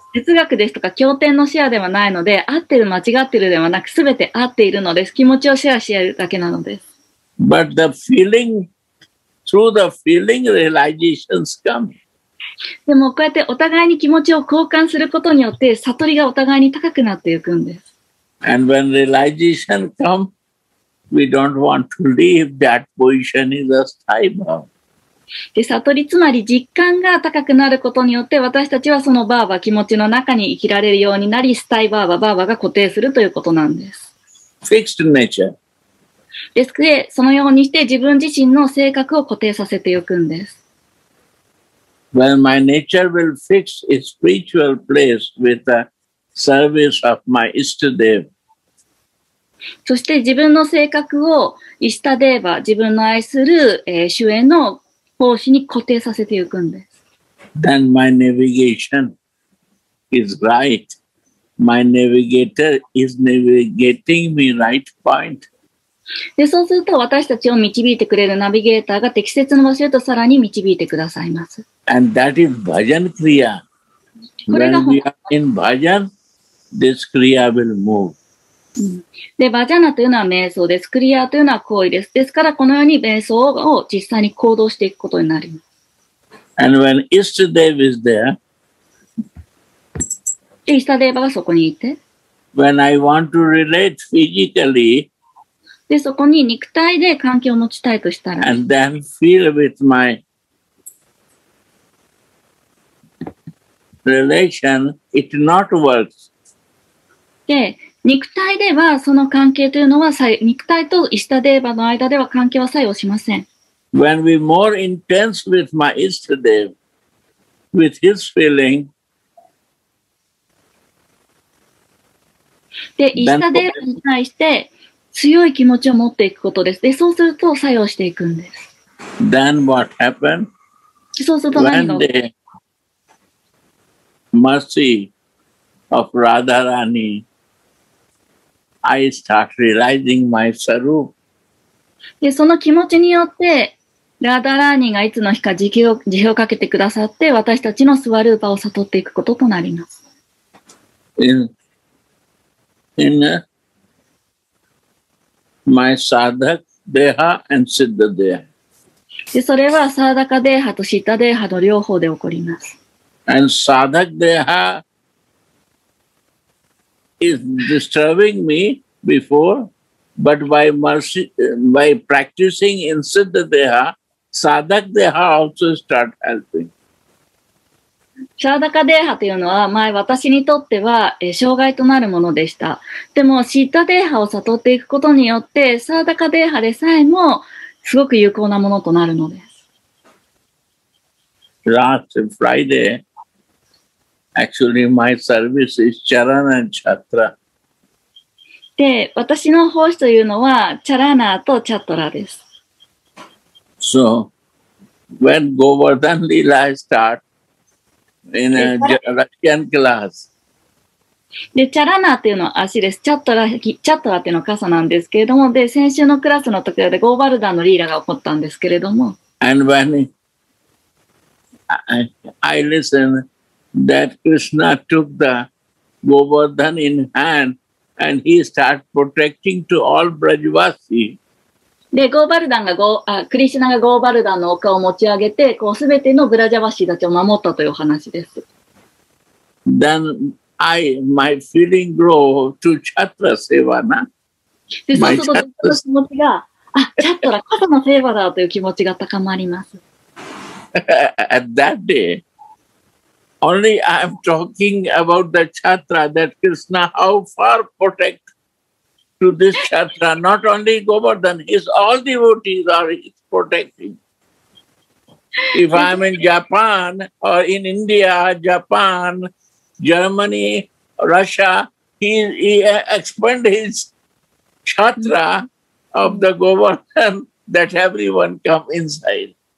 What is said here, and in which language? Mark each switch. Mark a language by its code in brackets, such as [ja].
[ja] 哲学ですとか経典のシェアではないので、合ってる間違ってるではなく、すべて合っているのです。気持ちをシェアし合うだけなのです。 [en] But the feeling,Through the feeling, realizations come. [ja] でもこうやってお互いに気持ちを交換することによって悟りがお互いに高くなっていくんです。 [en] And when realization come, we don't want to leave that position is a time of. [ja] で悟りつまり実感が高くなることによって私たちはそのバーバ気持ちの中に生きられるようになりスタイバーババーバが固定するということなんです。 [en] Fixed nature. [ja] ですから、そのようにして自分自身の性格を固定させておくんです。 [en] When my nature will fix its spiritual place with the service of my Ishtadeva. [ja] そして自分の性格をイスタデーバ、自分の愛する、主演の奉仕に固定させておくんです。 [en] Then my navigation is right. My navigator is navigating me right point. [ja] でそうすると私たちを導いてくれるナビゲーターが適切な場所へとさらに導いてくださいます。 [en] And that is bhajan kriya. When we are in bhajan, this kriya will move. [ja] で、バジャナというのは瞑想です。クリアというのは行為です。ですからこのように瞑想を実際に行動していくことになります。 [en] And when Easter Dev is there, [ja] イースターデーバーがそこにいて、 [en] when I want to relate physically, [ja] でそこに肉体で関係を持ちたいとしたら、 [en] and then feel with my relation, it not works. [ja] で肉体ではその関係というのは肉体とイースターデーバーの間では関係は作用しません。 [en] When we more intense with my Easter Dev, with his feeling, [ja] で、イースターデーバーに対して強い気持ちを持っていくことです。で、そうすると作用していくんです。 [en] Then what happened? [ja] そうすると何が起こる? [en] When the mercy of Radharani, I start realizing my Sarup. [ja] で、その気持ちによってラダラーニがいつの日か慈悲をかけてくださって私たちのスワルーパを悟っていくこととなります。 [en] in my sadhak deha and siddha deha。 [ja] でそれはサーダカデーハとシッダデーハの両方で起こります。 [en] and sadhak deha is disturbing me before, but by mercy, by practicing in siddha deha,Sadhak Deha also start helping. [ja] Sadhaka Deha というのは前私にとっては障害となるものでした。でも Siddha Deha を悟っていくことによって Sadhaka Deha でさえもすごく有効なものとなるのです。 [en] Last Friday, actually my service is Charan and Chatra. [ja] で、私の奉仕というのは Charana と Chatra です。 [en] So,When Govardhan Leela start in a Russian class. [ja] で、チャラナーっていうのは足です。チャットラっていうのは傘なんですけれども、で、先週のクラスの時でゴーバルダンのリーラが起こったんですけれども。 [en] And when I listen that Krishna took the Govardhan in hand and he start protecting to all Brajvasi. [ja] で、ゴーバルダンがクリシュナがゴーバルダンの丘を持ち上げて、こう、すべてのブラジャバシーたちを守ったというお話です。 [en] Then, my feeling grow to Chatra Sevana. [ja] で、そうすると、その気持ちが、チャットラ、傘のセーバーだという気持ちが高まります。 [en] At that day, only I'm talking about the Chatra, that Krishna, how far protect. To this chatra, not only Govardhan, his all devotees are his protecting. If I'm in Japan or in India, Japan, Germany, Russia, he expand his chatra of the Govardhan that everyone come inside.